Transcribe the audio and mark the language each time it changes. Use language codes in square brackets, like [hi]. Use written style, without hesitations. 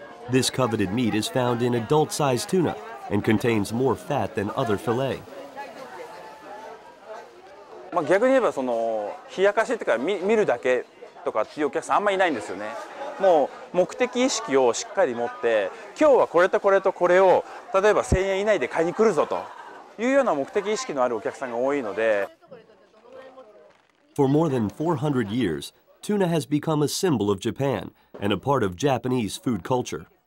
[en] This coveted meat is found in adult-sized tuna and contains more fat than other fillet. [ja] ま、逆に言えばその冷やかしとか見るだけとかっていうお客さんあんまいないんですよね。もう目的意識をしっかり持って、今日はこれとこれとこれを例えば 1000円以内で買いに来るぞというような目的意識のあるお客さんが多いので。For [en] more than 400 years, tuna has become a symbol of Japan and a part of Japanese food culture.